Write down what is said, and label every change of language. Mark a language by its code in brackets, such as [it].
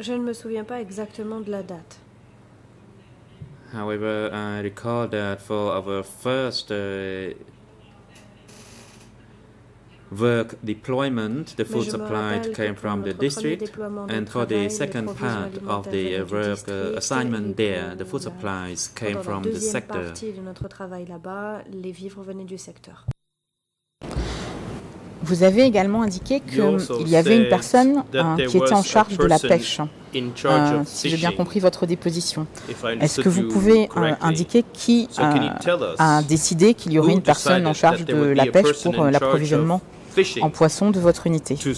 [fr] Je ne me souviens pas exactement de la date. [en] However, I recall that for our first work deployment, the food supply came from the district, and for the second part of the work assignment there, the food supplies came from the sector. [fr] Pendant la deuxième partie de notre travail là-bas, les vivres venaient du secteur. Vous avez également indiqué qu'il y avait une personne qui était en charge de la pêche, si j'ai bien compris votre déposition. Est-ce que vous pouvez indiquer qui a décidé qu'il y aurait une personne en charge de la pêche pour l'approvisionnement en poissons de votre unité?